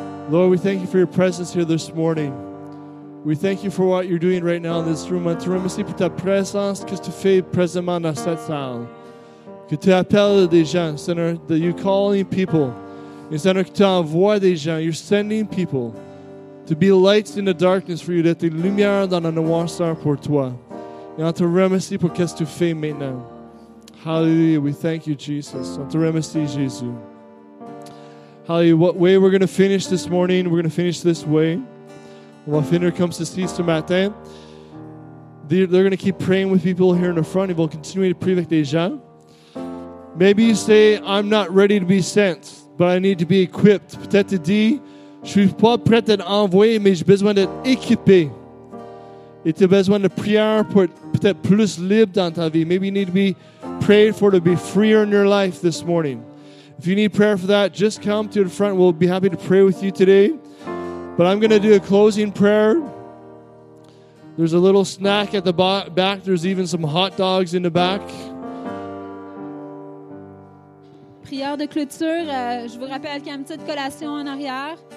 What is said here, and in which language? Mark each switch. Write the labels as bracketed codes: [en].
[en] Lord, we thank you for your presence here this morning. We thank you for what you're doing right now in this room. [fr] Te remercie ta présence que tu fais présentement dans cette salle. Que tu appelles des gens, Seigneur, [en] that you're calling people. [fr] And Seigneur, que tu envoies des gens, [en] you're sending people to be lights in the darkness for you, [fr] d'être lumière dans la noirceur pour toi. Et te remercie pour qu'est-ce que tu fais maintenant. [en] Hallelujah, we thank you, Jesus. [fr] On te remercie, Jésus. [en] Hallelujah, what way we're going to finish this morning, we're going to finish this way. [fr] On va finir comme ceci ce matin. [en] They're going to keep praying with people here in the front. [fr] Ils vont continuer de prier avec des gens. [en] Maybe you say, I'm not ready to be sent, but I need to be equipped. [fr] Peut-être tu dis, je ne suis pas prêt à envoyer, mais j'ai besoin d'être équipé. Et tu as besoin de prier pour peut-être plus libre dans ta vie. [en] Maybe you need to be prayed for to be freer in your life this morning. If you need prayer for that, just come to the front. We'll be happy to pray with you today. But I'm going to do a closing prayer. There's a little snack at the back. There's even some hot dogs in the back. [fr] Prière de clôture. Je vous rappelle qu'il y a une petite collation en arrière.